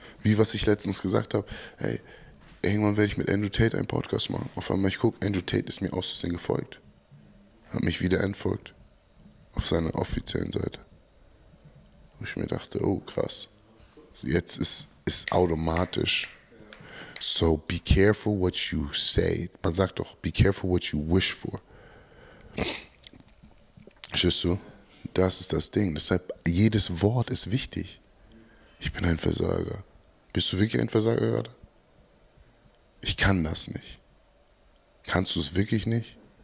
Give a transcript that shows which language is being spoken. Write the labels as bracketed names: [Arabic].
[German] Wie was ich letztens gesagt habe, hey, irgendwann werde ich mit Andrew Tate einen Podcast machen. Auf einmal, ich gucke, Andrew Tate ist mir aus Versehen gefolgt. Hat mich wieder entfolgt. Auf seiner offiziellen Seite. Wo ich mir dachte, oh krass. Jetzt ist automatisch. [English] So be careful what you say. [German] Man sagt doch, [English] be careful what you wish for. [German] Schüsse, das ist das Ding. Deshalb, jedes Wort ist wichtig. Ich bin ein Versager. Bist du wirklich ein Versager gerade? Ich kann das nicht. Kannst du es wirklich nicht?